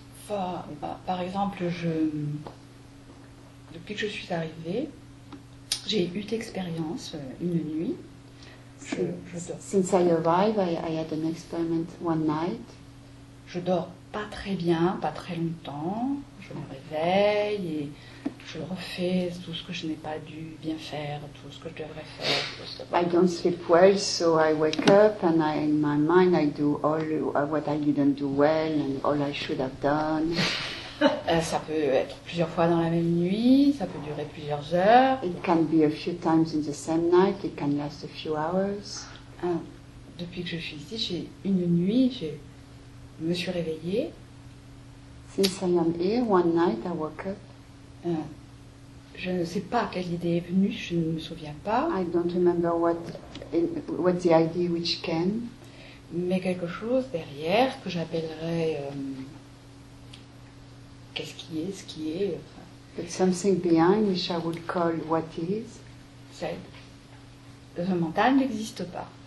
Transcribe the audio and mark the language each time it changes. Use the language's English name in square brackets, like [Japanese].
[French] Par exemple, depuis que je suis arrivée, j'ai eu d'expérience une nuit. [English] Since I arrived, I had an experiment one night. [French] Je dors pas très bien, pas très longtemps. Je me réveille et je refais tout ce que je n'ai pas dû bien faire, tout ce que je devrais faire. [English] I don't sleep well, so I wake up and in my mind I do all what I didn't do well and all I should have done. [French] Ça peut être plusieurs fois dans la même nuit, ça peut durer plusieurs heures. [English] It can be a few times in the same night, it can last a few hours. [French] Depuis que je suis ici, j'ai une nuit, je me suis réveillée. [English] Since I am here, one night I woke up. [French] Je ne sais pas quelle idée est venue, je ne me souviens pas. [English] I don't remember what the idea which came. [French] Mais quelque chose derrière que j'appellerais... Qu'est-ce qui est, ce qui est. [English] But something behind which I would call what is. Said. [French] Le mental n'existe pas.